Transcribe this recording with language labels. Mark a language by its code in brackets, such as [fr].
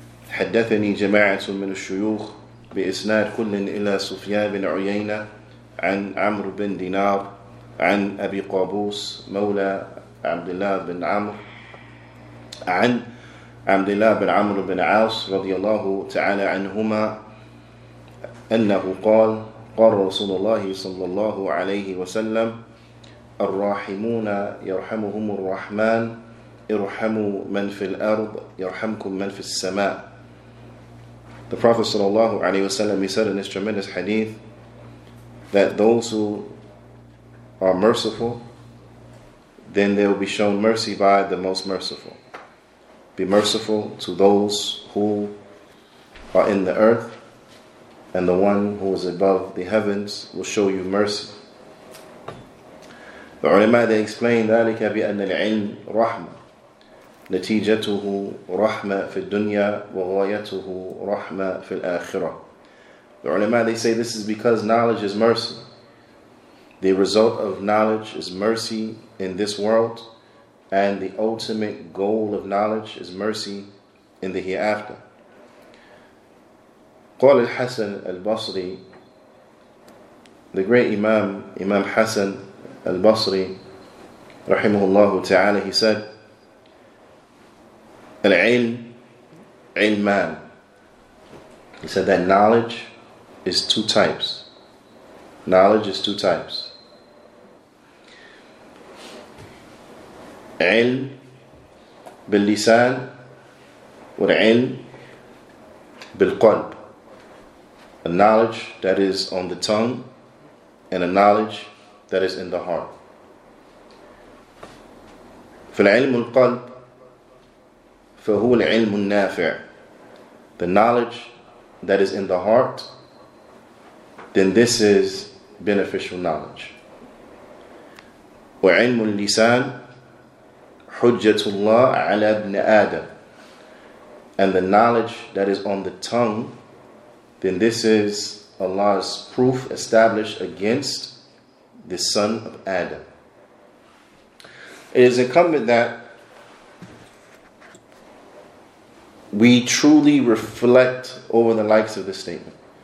[ar] حدثني جماعة من الشيوخ بإسناد كل إلى سفيان بن عيينة عن عمرو بن دينار عن أبي قابوس مولى عبد الله بن عمرو عن عبد الله بن عمرو بن عاص رضي الله تعالى عنهما أنه قال قال رسول الله صلى الله عليه وسلم الراحمون يرحمهم الرحمن ارحموا من في الأرض يرحمكم من في السماء. [en] The Prophet [ar] صلى الله عليه وسلم, [en] he said in his tremendous hadith that those who are merciful, then they will be shown mercy by the most merciful. Be merciful to those who are in the earth, and the one who is above the heavens will show you mercy. The ulama, they explain [ar] ذلك بأن العلم رحمة نتيجته رحمة في الدنيا وغايته رحمة في الآخرة. [en] The ulama, they say this is because knowledge is mercy. The result of knowledge is mercy in this world, and the ultimate goal of knowledge is mercy in the hereafter. [ar] قال الحسن البصري, [en] the great Imam, Imam Hassan al-Basri, [ar] رحمه الله تعالى, [en] he said, [ar] العلم علمان. [en] He said that knowledge is two types. Knowledge is two types. [ar] علم باللسان والعلم بالقلب. [en] A knowledge that is on the tongue and a knowledge that is in the heart. [ar] فالعلم القلب فهو العلم النافع. [en] The knowledge that is in the heart, then this is beneficial knowledge. [ar] وعلم اللسان حجة الله على ابن آدم. [en] And the knowledge that is on the tongue, then this is Allah's proof established against the son of Adam. It is incumbent that we truly reflect over the likes of this statement.